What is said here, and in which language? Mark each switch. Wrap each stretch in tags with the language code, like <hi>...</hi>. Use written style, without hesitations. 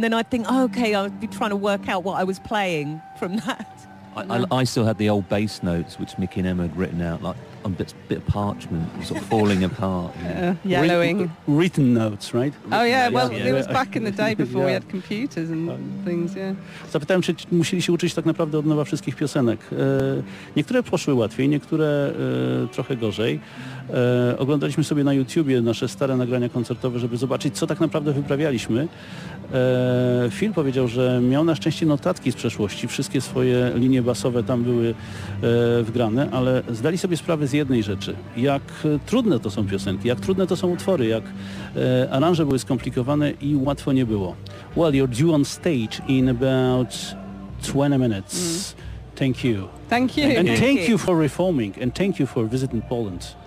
<en>And then I'd think, oh, okay, I'd be trying to work out what I was playing from that. I still had the old bass notes which Mickey and Emma had written out, like on bits of parchment, sort of falling apart. Yellowing. Written notes, right? It was back in the day before we had computers and things, yeah.</en> <pl>Zapytałem, czy musieli się uczyć tak naprawdę od nowa wszystkich piosenek. Niektóre poszły łatwiej, niektóre trochę gorzej. Oglądaliśmy sobie na YouTubie nasze stare nagrania koncertowe, żeby zobaczyć, co tak naprawdę wyprawialiśmy. Phil powiedział, że miał na szczęście notatki z przeszłości, wszystkie swoje linie basowe tam były wgrane, ale zdali sobie sprawę z jednej rzeczy, jak trudne to są piosenki, jak trudne to są utwory, jak aranże były skomplikowane i łatwo nie było.</pl> <en>Well, you're due on stage in about 20 minutes. Thank you. Thank you. And thank you for reforming and thank you for visiting Poland.</en>